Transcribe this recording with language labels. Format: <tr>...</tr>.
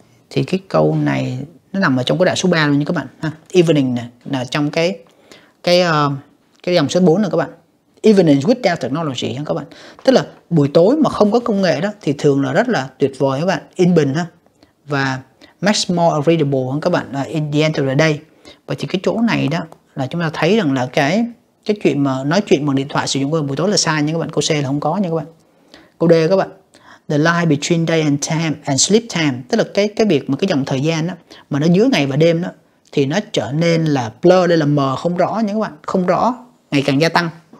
<vi>Thì cái câu này nó nằm ở trong cái đoạn số 3 luôn nha các bạn ha. Evening này là trong cái dòng số 4 này các bạn.</vi> <en>Evening without technology</en> <vi>nha các bạn. Tức là buổi tối mà không có công nghệ đó thì thường là rất là tuyệt vời các bạn, yên bình ha.</vi> <en>Và much more agreeable</en> <vi>hơn các bạn</vi> <en>in the end of the day.</en> <vi>Và thì cái chỗ này đó là chúng ta thấy rằng là cái chuyện mà nói chuyện bằng điện thoại sử dụng buổi tối là sai nha các bạn. Câu C là không có nha các bạn. Câu D các bạn.</vi> <en>The line between day and time and sleep time,</en> <vi>tức là cái việc mà cái dòng thời gian đó mà nó giữa ngày và đêm đó, thì nó trở nên là blur, đây là mờ, không rõ nha các bạn, không rõ, ngày càng gia tăng.</vi>